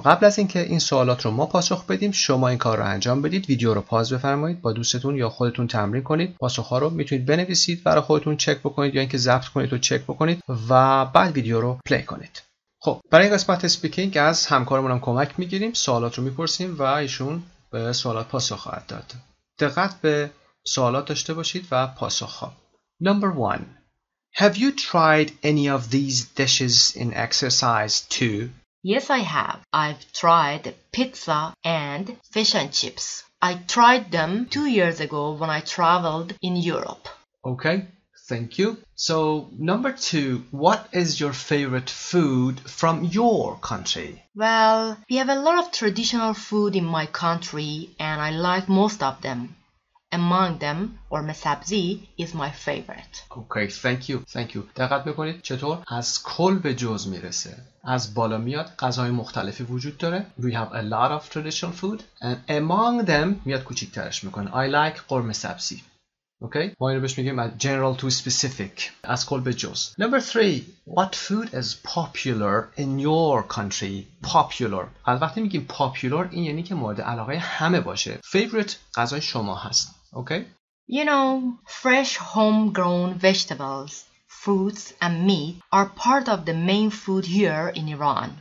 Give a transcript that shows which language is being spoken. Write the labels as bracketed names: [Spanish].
[Persian] قبل از اینکه این سوالات رو ما پاسخ بدیم شما این کار رو انجام بدید، ویدیو رو پاز بفرمایید، با دوستتون یا خودتون تمرین کنید، پاسخ ها رو میتونید بنویسید برای خودتون چک بکنید یا اینکه ضبط کنید و چک بکنید و بعد ویدیو رو پلی کنید. خب برای این قسمت اسپیکینگ از همکارمون هم کمک میگیریم، سوالات رو میپرسیم و ایشون به سوالات پاسخ خواهد داد. دقت به سوالات داشته باشید و پاسخ ها. [English] Number one. Have you tried any of these dishes in exercise 2? Yes, I have. I've tried pizza and fish and chips. I tried them 2 years ago when I traveled in Europe. Okay, thank you. So, number 2, what is your favorite food from your country? Well, we have a lot of traditional food in my country and I like most of them. Among them, or sabzi is my favorite. Okay, thank you, thank you. [Persian] دقت بکنید چطور از کل به جز میرسه. از بالا میاد، غذاهای مختلفی وجود داره. [English] We have a lot of traditional food. And among them, [Persian] میاد کوچیکترش میکنه. [English] I like [Persian] قرمه سبزی. Okay, ما اینو بهش میگیم از general to specific. از کل به جز. [English] Number 3, what food is popular in your country? Popular. [Persian] از وقتی میگیم popular این یعنی که مورد علاقه همه باشه. Favorite غذای شما هست. Okay. [English] You know, fresh homegrown vegetables, fruits and meat are part of the main food here in Iran.